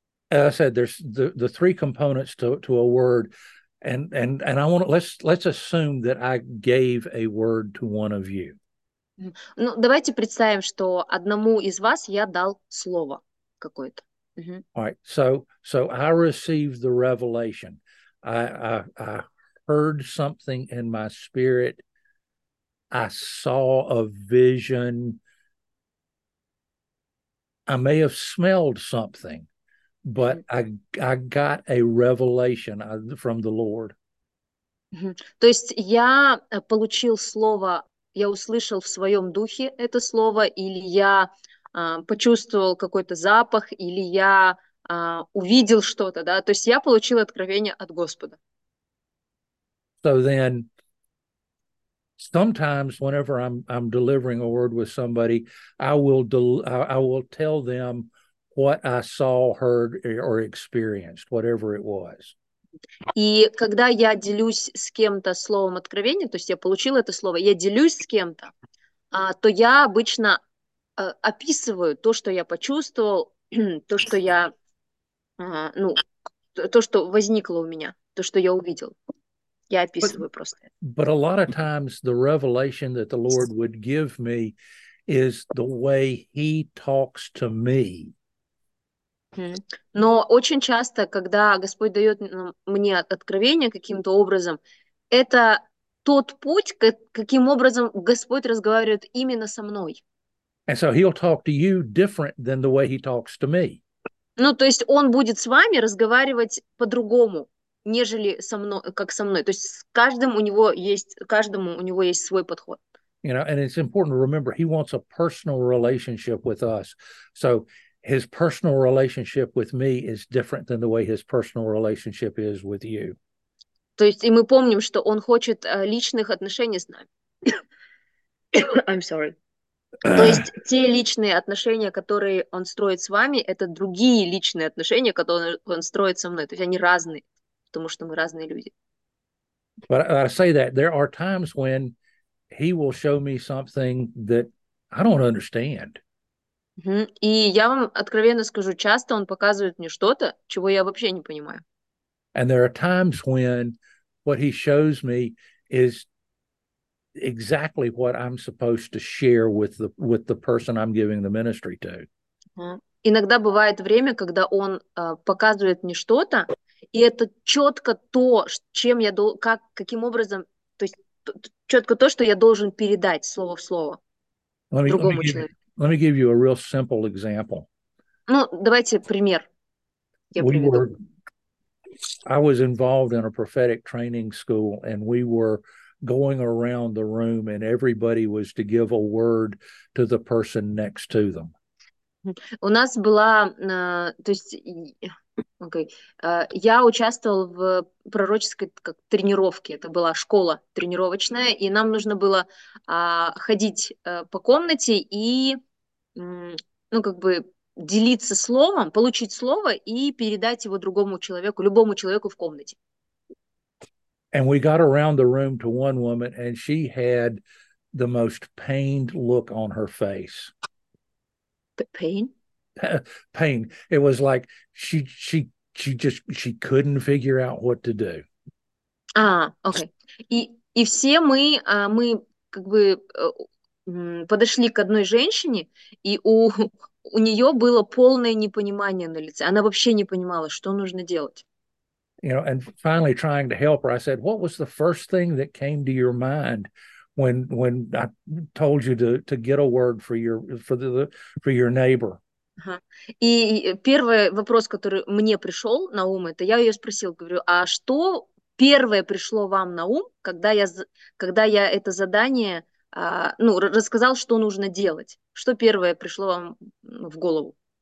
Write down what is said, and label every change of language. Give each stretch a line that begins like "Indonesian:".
English: As I said, there's the three components to a word, and I want to, let's assume that I gave a word to one of you.
Russian: Ну, давайте представим, что одному из вас я дал слово. Какой-то.
English: Mm-hmm. All right, so I received the revelation. I heard something in my spirit. I saw a vision. I may have smelled something, but I got a revelation from the Lord. Mm-hmm.
Russian: То есть я получил слово, я услышал в своем духе это слово, или я почувствовал какой-то запах, или я увидел что-то, да, то есть я получил откровение от Господа.
English: So then, sometimes whenever I'm delivering a word with somebody, I will tell them what I saw, heard, or experienced, whatever it was.
Russian: И когда я делюсь с кем-то словом откровения, то есть я получил это слово, я делюсь с кем-то, то я обычно описываю то, что я почувствовал, то, что я, ну, то, что возникло у меня, то, что я увидел. Я описываю просто.
English: But a lot of times the revelation that the Lord would give me is the way He talks to me.
Russian: Но очень часто, когда Господь дает мне откровение каким-то образом, это тот путь, каким образом Господь разговаривает именно со мной.
English: And so he'll talk to you different than the way he talks to me.
Russian: Ну, то есть он будет с вами разговаривать по-другому, нежели со мной, как со мной. То есть с каждым у него есть, каждому у него есть свой подход.
English: You know, and it's important to remember he wants a personal relationship with us. So his personal relationship with me is different than the way his personal relationship is with you.
Russian: То есть и мы помним, что он хочет личных отношений с нами.
English: I'm sorry.
Russian: То есть те личные отношения, которые он строит с вами, это другие личные отношения, которые он строит со мной. То есть они разные, потому что мы разные люди.
English: But I say that there are times when he will show me something that I don't understand. Mm-hmm.
Russian: И я вам откровенно скажу, часто он показывает мне что-то, чего я вообще не понимаю.
English: And there are times when what he shows me is exactly what I'm supposed to share with the person I'm giving the ministry to.
Russian: Иногда бывает время, когда он показывает мне что-то, и это четко то, чем я как каким образом, то есть четко то, что я должен передать слово в слово другому человеку.
English: Let me give you a real simple example.
Russian: Ну, давайте пример.
English: I was involved in a prophetic training school, and we were going around the room, and everybody was to give a word to the person next to them.
Russian: У нас была, то есть, okay, я участвовал в пророческой как тренировке. Это была школа тренировочная, и нам нужно было ходить по комнате и, ну, как бы делиться словом, получить слово и передать его другому человеку, любому человеку в комнате.
English: And we got around the room to one woman, and she had the most pained look on her face. Pain? Pain. It was like she just couldn't figure out what to do. Ah, okay.
Russian: И все мы как бы подошли к одной женщине, и у нее было полное непонимание на лице. Она вообще не понимала, что нужно делать.
English: You know, and finally trying to help her, I said, what was the first thing that came to your mind when I told you to get a word for your neighbor?
Russian: И первый вопрос, который мне пришел на ум, это я ее спросил, говорю, а что первое пришло вам на ум, когда я это задание, ну, рассказал, что нужно делать? Что первое пришло вам в голову?